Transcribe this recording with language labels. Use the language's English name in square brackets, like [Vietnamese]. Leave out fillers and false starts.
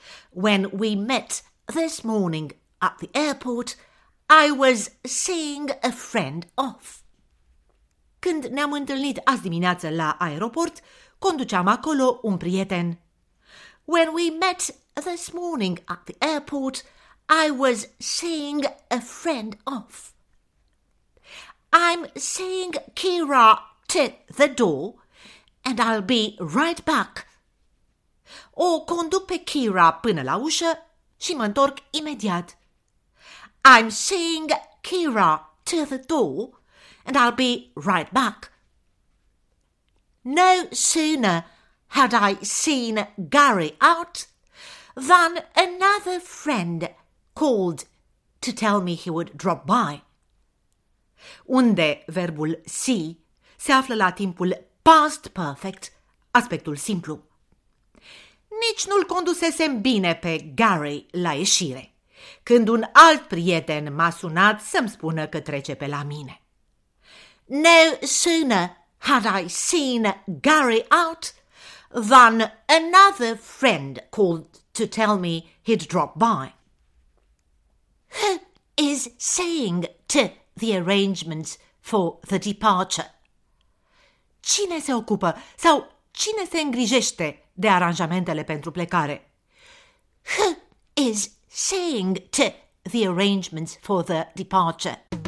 [English] When we met this morning at the airport, I was seeing a friend off. [Romanian] Când ne-am întâlnit azi dimineață la aeroport, conduceam acolo un prieten. [English] When we met this morning at the airport, I was seeing a friend off. I'm seeing Kira to the door and I'll be right back. [Romanian] O conduc pe Kira până la ușă și mă întorc imediat. [English] I'm seeing Kira to the door and I'll be right back. No sooner had I seen Gary out, then another friend called to tell me he would drop by. [Romanian] Unde verbul see se află la timpul past perfect, aspectul simplu. Nici nu-l condusesem bine pe Gary la ieșire, când un alt prieten m-a sunat să-mi spună că trece pe la mine. [English] No sooner had I seen Gary out, than another friend called to tell me he'd drop by. Who is saying to the arrangements for the departure. [Romanian] Cine se ocupă sau cine se îngrijește de aranjamentele pentru plecare? [English] Who is saying to the arrangements for the departure?